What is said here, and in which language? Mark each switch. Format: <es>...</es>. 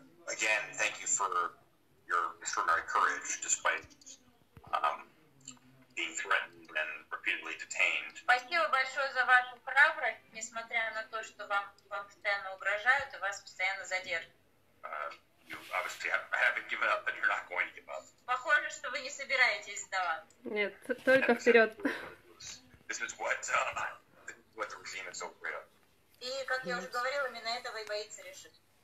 <en>Again, thank you for your extraordinary courage, despite being threatened and repeatedly detained.</en> <ru>Спасибо большое за вашу храбрость, несмотря на то, что вам постоянно угрожают и вас постоянно задерживают.</ru> <en>You obviously haven't given up, and you're not going to give up.</en> <ru>Похоже, что вы не собираетесь сдаваться. Нет, только вперед.</ru> <en>This is what the regime is so afraid of.</en> <ru>И, как я уже говорила, именно этого и боится решить.</ru>